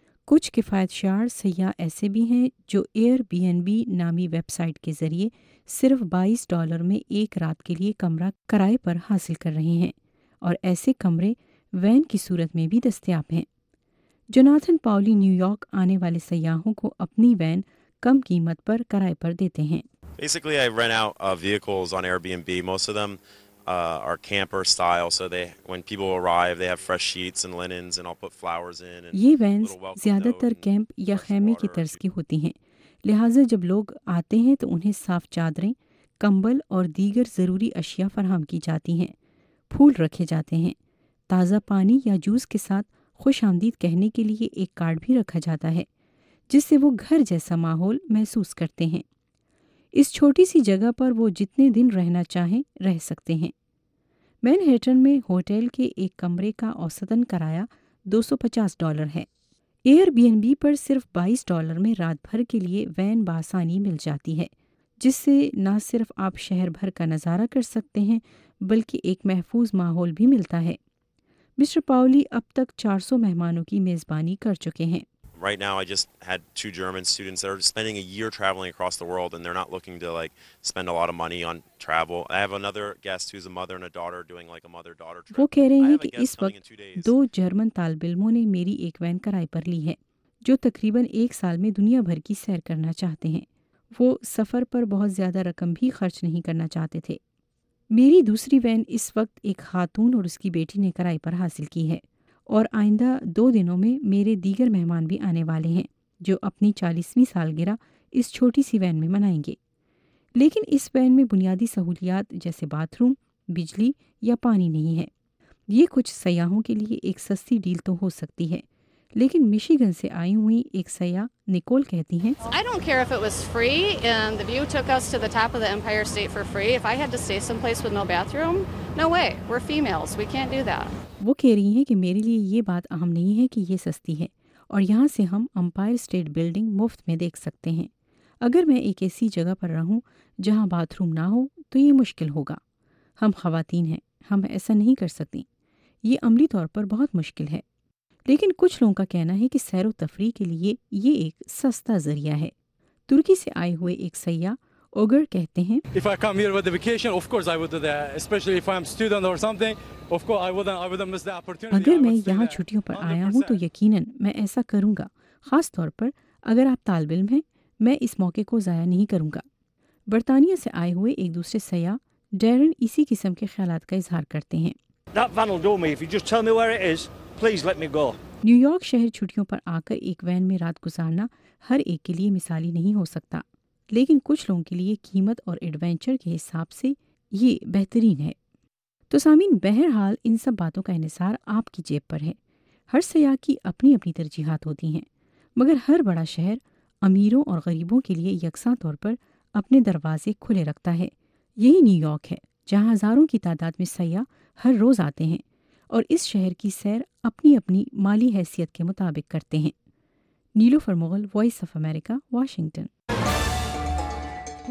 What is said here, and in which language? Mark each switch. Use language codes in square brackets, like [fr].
[ur] کچھ کفایت شعار سیاح ایسے بھی ہیں جو ایئر بی این بی نامی ویب سائٹ کے ذریعے صرف $22 میں ایک رات کے لیے کمرہ کرائے پر حاصل کر رہے ہیں، اور ایسے کمرے وین کی صورت میں بھی دستیاب ہیں۔ جوناتھن پاولی نیو یارک آنے والے سیاحوں کو اپنی وین کم قیمت پر کرائے پر دیتے ہیں۔ [en] Basically, I rent out vehicles on Airbnb. Most of them are camper style, so they, when people arrive, they have fresh sheets and linens, and I'll put flowers in. [ur] یہ وینز زیادہ تر camp یا خیمے کی طرز کی ہوتی ہیں، لہٰذا جب لوگ آتے ہیں تو انہیں صاف چادریں، کمبل اور دیگر ضروری اشیاء فراہم کی جاتی ہیں، پھول رکھے جاتے ہیں، تازہ پانی یا جوس کے ساتھ خوش آمدید کہنے کے لیے ایک کارڈ بھی رکھا جاتا ہے جس سے وہ گھر جیسا ماحول محسوس کرتے ہیں۔ اس چھوٹی سی جگہ پر وہ جتنے دن رہنا چاہیں رہ سکتے ہیں۔ مینہٹن میں ہوٹل کے ایک کمرے کا اوسطاً کرایہ $250 ہے۔ ایئر بی این بی پر صرف $22 میں رات بھر کے لیے وین بآسانی مل جاتی ہے، جس سے نہ صرف آپ شہر بھر کا نظارہ کر سکتے ہیں بلکہ ایک محفوظ ماحول بھی ملتا ہے۔ مسٹر پاولی اب تک 400 مہمانوں کی میزبانی کر چکے ہیں۔ [en] Right now I just had two German students that are spending a year traveling across the world, and they're not looking to like spend a lot of money on travel. I have another guest who's a mother and a daughter doing like a mother daughter trip. [ur] وہ کہہ رہے ہیں کہ اس وقت دو German طالب علموں نے میری ایک وین کرائے پر لی ہے جو تقریباً ایک سال میں دنیا بھر کی سیر کرنا چاہتے ہیں۔ وہ سفر پر بہت زیادہ رقم بھی خرچ نہیں کرنا چاہتے تھے۔ میری دوسری وین اس وقت ایک خاتون اور اس کی بیٹی نے کرائے پر حاصل کی ہے، اور آئندہ دو دنوں میں میرے دیگر مہمان بھی آنے والے ہیں جو اپنی 40ویں سالگرہ اس چھوٹی سی وین میں منائیں گے۔ لیکن اس وین میں بنیادی سہولیات جیسے باتھ روم، بجلی یا پانی نہیں ہے۔ یہ کچھ سیاحوں کے لیے ایک سستی ڈیل تو ہو سکتی ہے، لیکن مشیگن سے آئی ہوئی ایک سیاح نکول کہتی ہیں، [en] I don't care if it was free and the view took us to the top of the Empire State for free. If I had to stay someplace with no bathroom, no way. We're females. We can't do that. [ur] وہ کہہ رہی ہیں کہ میرے لیے یہ بات اہم نہیں ہے کہ یہ سستی ہے، اور یہاں سے ہم امپائر اسٹیٹ بلڈنگ مفت میں دیکھ سکتے ہیں۔ اگر میں ایک ایسی جگہ پر رہوں جہاں باتھ روم نہ ہو تو یہ مشکل ہوگا۔ ہم خواتین ہیں، ہم ایسا نہیں کر سکتیں۔ یہ عملی طور پر بہت مشکل ہے، لیکن کچھ لوگوں کا کہنا ہے کہ سیر و تفریح کے لیے یہ ایک سستا ذریعہ ہے۔ ترکی سے آئے ہوئے ایک سیاح اوگر کہتے ہیں، [en] If I come here with a vacation, of course I would do that. Especially if I'm a student or something, of course I wouldn't miss the opportunity. [ur] اگر میں یہاں چھٹیوں پر آیا ہوں تو یقیناً میں ایسا کروں گا، خاص طور پر اگر آپ طالب علم ہیں، میں اس موقع کو ضائع نہیں کروں گا۔ برطانیہ سے آئے ہوئے ایک دوسرے سیاح ڈیرن اسی قسم کے خیالات کا اظہار کرتے ہیں۔ [en] That van will do me. If you just tell me where it is, please let me go. [ur] New York شہر چھٹیوں پر آ کر ایک وین میں رات گزارنا ہر ایک کے لیے مثالی نہیں ہو سکتا، لیکن کچھ لوگوں کے لیے قیمت اور ایڈونچر کے حساب سے یہ بہترین ہے۔ تو سامعین، بہرحال ان سب باتوں کا انحصار آپ کی جیب پر ہے۔ ہر سیاح کی اپنی اپنی ترجیحات ہوتی ہیں، مگر ہر بڑا شہر امیروں اور غریبوں کے لیے یکساں طور پر اپنے دروازے کھلے رکھتا ہے۔ یہی نیو یارک ہے جہاں ہزاروں کی تعداد میں سیاح ہر روز آتے ہیں اور اس شہر کی سیر اپنی اپنی مالی حیثیت کے مطابق کرتے ہیں۔ نیلوفر Mughal, voice of America, Washington.